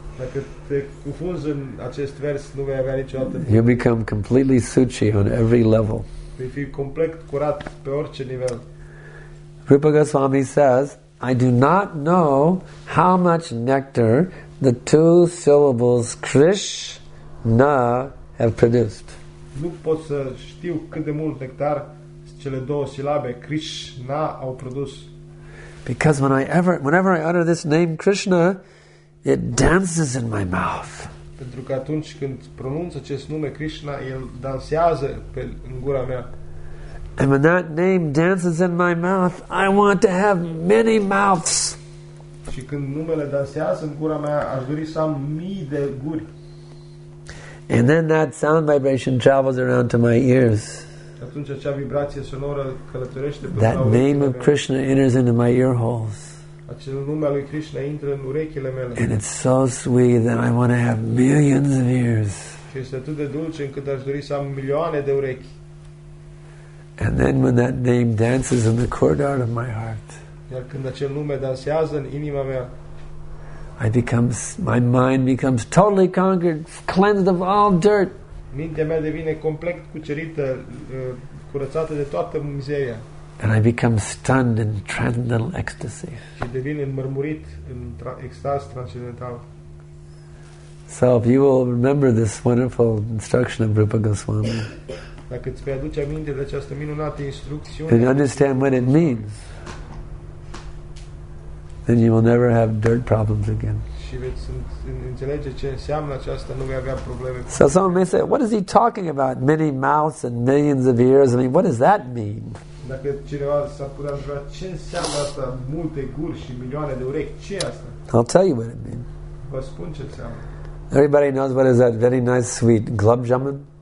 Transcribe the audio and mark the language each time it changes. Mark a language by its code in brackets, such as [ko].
[en] You become completely suci on every level. Rupa Goswami says, I do not know how much nectar the two syllables Krishna have produced. [ro] Nu pot să știu cât de mult nectar cele două silabe Krishna au produs. [en] Because whenever I utter this name Krishna, it dances in my mouth. [ro] Pentru că atunci când pronunț acest nume Krishna, el dansează pe în gura mea. [en] And when that name dances in my mouth, I want to have many mouths. [ro] Și când numele dansează în gura mea, aș dori să am mii de guri. [en] And then that sound vibration travels around to my ears. [ro] Atunci acea vibrație sonoră călătorește pe urechile. [en] That name of Krishna enters into my ear holes. [ro] Acel nume al lui Krishna intră în urechile mele. [en] And it's so sweet that I want to have millions of ears. [ro] Și este atât de dulce încât aș dori să am milioane de urechi. [en] And then when that name dances in the courtyard of my heart. [ro] Iar când acel nume dansează în inima mea. [en] My mind becomes totally conquered, cleansed of all dirt. [ro] Mintea mea devine complet cucerită, curățată de toată mizeria. [en] And I become stunned in transcendental ecstasy. [ro] Și devin înmărmurit în extaz transcendental. [en] So if you will remember this wonderful instruction of Rupa Goswami, [ro] dacă îți vei aduce aminte de această minunată instrucțiune, [en] and understand what it means, then you will never have dirt problems again. [ro] Și veți înțelege ce înseamnă aceasta, nu vei avea probleme. [en] So someone may say, what is he talking about? Many mouths and millions of ears? I mean, what does that mean? [ro] Dacă cineva s-a putea întreba ce înseamnă asta, multe guri și milioane de urechi, ce e asta? [en] I'll tell you what it means. [ro] Vă spun ce înseamnă. [en] Everybody knows what is that very nice, sweet glob jamun?